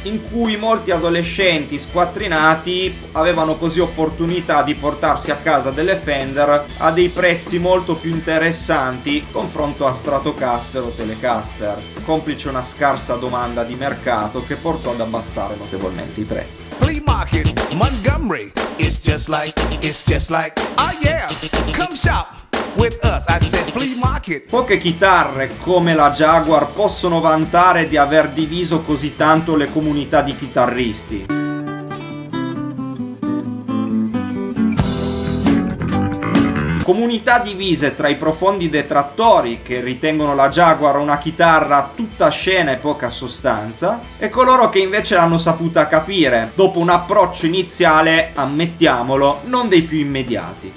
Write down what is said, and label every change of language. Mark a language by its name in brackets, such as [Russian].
[Italian] In cui molti adolescenti squattrinati avevano così opportunità di portarsi a casa delle Fender a dei prezzi molto più interessanti confronto a Stratocaster o Telecaster, complice una scarsa domanda di mercato che portò ad abbassare notevolmente i prezzi. [English] Flea market, Montgomery, it's just like, oh yeah, come shop! With us, I said flea market. [Italian] Poche chitarre come la Jaguar possono vantare di aver diviso così tanto le comunità di chitarristi. comunità divise tra i profondi detrattori che ritengono la Jaguar una chitarra tutta scena e poca sostanza, e coloro che invece l'hanno saputa capire, dopo un approccio iniziale, ammettiamolo, non dei più immediati.